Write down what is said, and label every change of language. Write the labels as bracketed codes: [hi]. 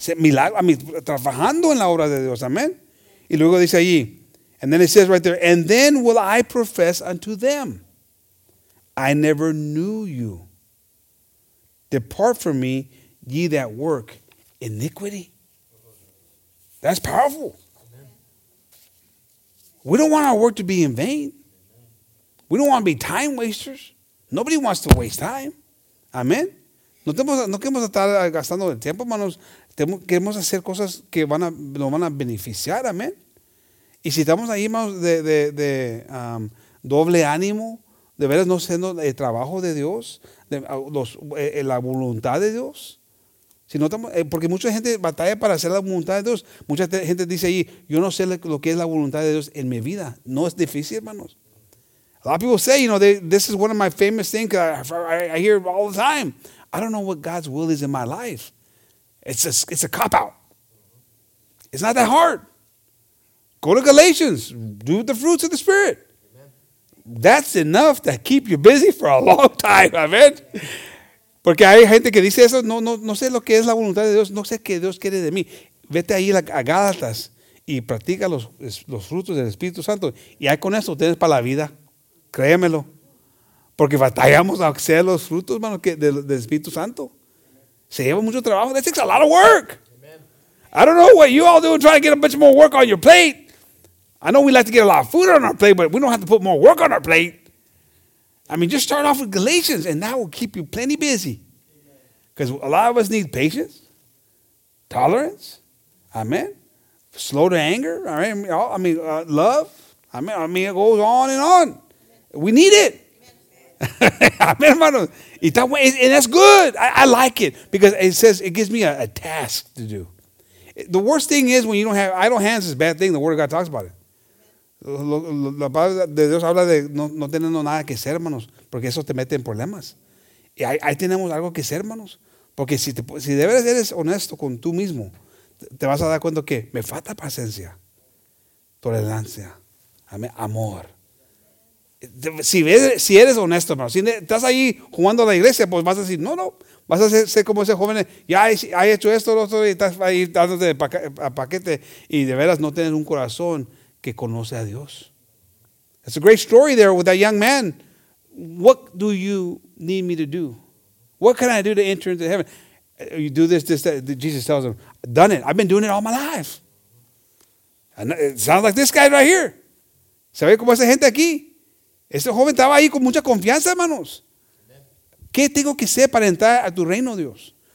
[es] Milagro, [en] I mean, [es] trabajando en la obra de Dios. [en] Amen. [es] Y luego dice allí, [en] and then it says right there, and then will I profess unto them, I never knew you. Depart from me, ye that work iniquity. That's powerful. Amen. We don't want our work to be in vain. We don't want to be time wasters. Nobody wants to waste time. Amen. [es] No queremos estar gastando el tiempo, hermanos. Queremos hacer cosas que nos van a beneficiar. Amen. Y si estamos ahí, hermanos, de doble ánimo, de veras no siendo el trabajo de Dios, la voluntad de Dios. Si no estamos, porque mucha gente batalla para hacer la voluntad de Dios. Mucha gente dice ahí, yo no sé lo que es la voluntad de Dios en mi vida. No es difícil, hermanos. [en] A lot of people say, you know, this is one of my famous things I hear all the time. I don't know what God's will is in my life. It's a cop-out. It's not that hard. Go to Galatians. Do the fruits of the Spirit. That's enough to keep you busy for a long time, amen. [es] Porque hay gente que dice eso, no sé lo que es la voluntad de Dios, no sé qué Dios quiere de mí. Vete ahí a Gálatas y practica los frutos del Espíritu Santo. Y ahí con eso tienes para la vida, créemelo. Porque batallamos a hacer los frutos, hermano, del Espíritu Santo. Se lleva mucho trabajo, [en] that takes a lot of work. I don't know what you all doing trying to get a bunch more work on your plate. I know we like to get a lot of food on our plate, but we don't have to put more work on our plate. I mean, just start off with Galatians, and that will keep you plenty busy. Because a lot of us need patience, tolerance, amen, slow to anger, love, amen. I mean, it goes on and on. We need it. Amen, hermanos. And that's good. I like it because it says it gives me a task to do. The worst thing is when you don't have idle hands is a bad thing. The Word of God talks about it. [es] La palabra de Dios habla de no teniendo nada que ser, hermanos, porque eso te mete en problemas. Y ahí tenemos algo que ser, hermanos, porque si de verdad eres honesto con tú mismo, te vas a dar cuenta que me falta paciencia, tolerancia, amor. Si eres honesto, hermanos, si estás ahí jugando a la iglesia, pues vas a decir, no, vas a ser como ese joven, ya ha hecho esto, lo otro, y estás ahí dándote a paquete, y de veras no tienes un corazón que conoce a Dios. [en] It's a great story there with that young man. What do you need me to do? What can I do to enter into heaven? You do this, that. Jesus tells him, done it. I've been doing it all my life. And it sounds like this guy right here. [es] ¿Se ve como esa gente aquí? Este joven estaba ahí con mucha confianza, hermanos. ¿Qué tengo que hacer para entrar a tu reino, Dios?